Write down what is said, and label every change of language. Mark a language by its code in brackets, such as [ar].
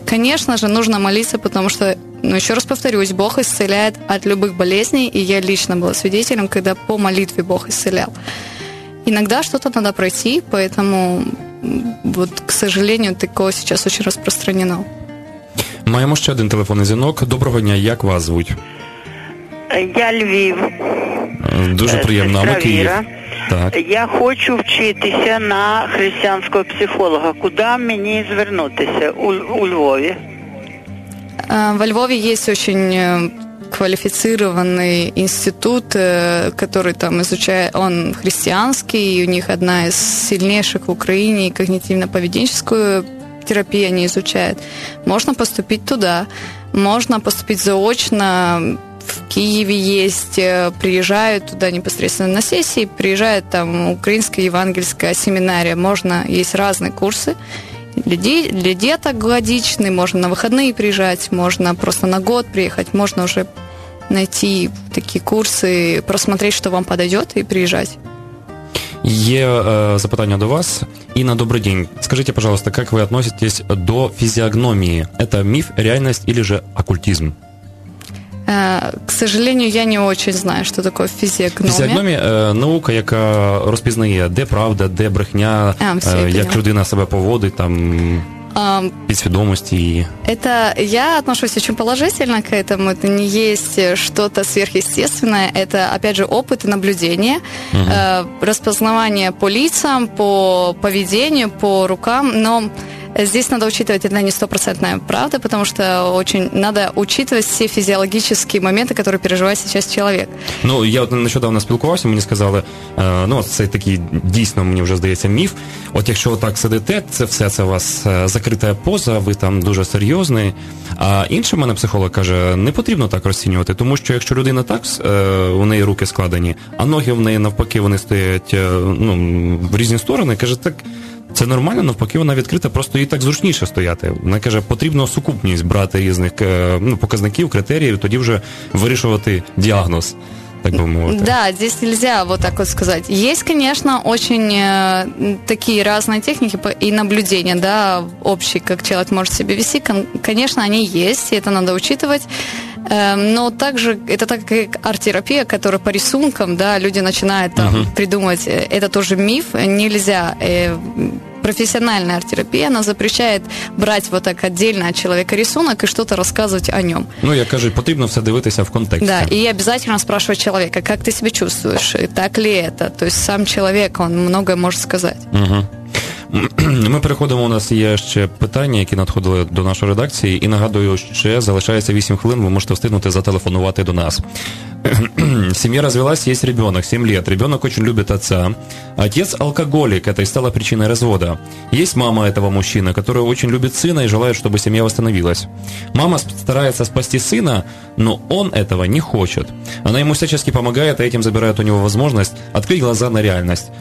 [ru] Конечно же, нужно молиться, потому что, ну, еще раз повторюсь, Бог исцеляет от любых болезней, и я лично была свидетелем, когда по молитве Бог исцелял. Иногда что-то надо пройти, поэтому, вот, к сожалению, такое сейчас очень распространено. [uk] Маємо ще один телефонний дзвінок. Доброго дня, як вас звуть? Я Львів. Дуже приємно. А ми Київ. Так. Я хочу вчитися на християнського психолога. Куди мені звернутися? У Львові. Во Львові є дуже кваліфіцірований інститут, який там изучає, він християнський, і у них одна з сильніших в Україні когнітивно-поведінчої терапии [ru] они изучают. Можно поступить туда, можно поступить заочно. В Киеве есть, приезжают туда непосредственно на сессии, приезжают там украинская евангельская семинария. Можно, есть разные курсы. Для деток годичные, можно на выходные приезжать, можно просто на год приехать, можно уже найти такие курсы, просмотреть, что вам подойдет, и приезжать. [uk] Є запитання до вас. Інна, добрий день. Скажіть, пожалуйста, як ви относитесь до фізіогномії? Це міф, реальність [ru] или же оккультизм? К сожалению, я не очень знаю, что такое физиогномия. [uk] Физиогномия – наука, яка розпізнає, де правда, де брехня, як людина себе поводить, там, підсвідомості. [ru] Это я отношусь очень положительно к этому. Это не есть что-то сверхъестественное. Это, опять же, опыт и наблюдение. Распознавание по лицам, по поведению, по рукам. Но Здесь надо учитывать, это не стопроцентная правда, потому что очень надо учитывать все физиологические моменты, которые переживает сейчас человек. [uk] Ну, я от нещодавно спілкувався, мені сказали, ну, це такий, дійсно, мені вже здається, міф. От якщо так сидите, це все, це у вас закрита поза, ви там дуже серйозний. А інший мене психолог каже, не потрібно так розцінювати, тому що якщо людина так, у неї руки складені, а ноги в неї навпаки, вони стоять, ну, в різні сторони, каже, так, це нормально, навпаки, вона відкрита, просто їй так зручніше стояти. Вона каже, потрібно сукупність брати різних, ну, показників, критеріїв, тоді вже вирішувати діагноз. [ru] Так бы, да, здесь нельзя вот так вот сказать. Есть, конечно, очень такие разные техники и наблюдения, да, общие, как человек может себя вести. Конечно, они есть, и это надо учитывать. Но также это так как арт-терапия, которая по рисункам, да, люди начинают там придумывать, это тоже миф, нельзя. Профессиональная арт-терапия, она запрещает брать вот так отдельно от человека рисунок и что-то рассказывать о нем. [uk] Ну, я кажу, потрібно все дивитися в контексте. [ru] Да, и обязательно спрашивать человека, как ты себя чувствуешь, так ли это. То есть сам человек, он многое может сказать. Угу. [uk] Ми переходимо, у нас є ще питання, які надходили до нашої редакції. І нагадую, ще залишається 8 хвилин, ви можете встигнути зателефонувати до нас. Сім'я розвелась, є [ru] ребенок, 7 лет. Ребенок очень любит отца. Отец алкоголик, это и стало причиной развода. Есть мама этого мужчины, которая очень любит сына и желает, чтобы семья восстановилась. Мама старается спасти сына, но он этого не хочет. Она ему всячески помогает, а этим забирает у него возможность открыть глаза на реальность.